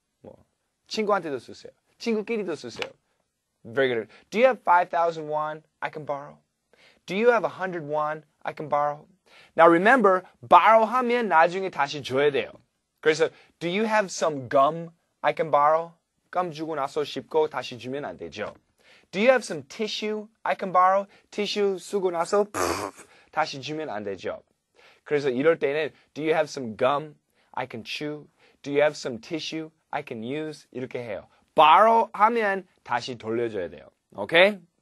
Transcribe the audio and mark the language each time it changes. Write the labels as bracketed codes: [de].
[ko] 뭐 친구한테도 쓰세요. 친구끼리도 쓰세요. [en] Very good. Do you have 5,000 won I can borrow? Do you have 100 won I can borrow? [ko] Now remember, borrow 하면 나중에 다시 줘야 돼요. 그래서 [en] Do you have some gum I can borrow? [ko] 감 주고 나서 씹고 다시 주면 안 되죠. [en] Do you have some tissue I can borrow? [ko] Tissue 쓰고 나서 다시 주면 안 되죠. 그래서 이럴 때는 [en] Do you have some gum I can chew? Do you have some tissue I can use? [ko] 이렇게 해요. Borrow 하면 다시 돌려줘야 돼요. Okay?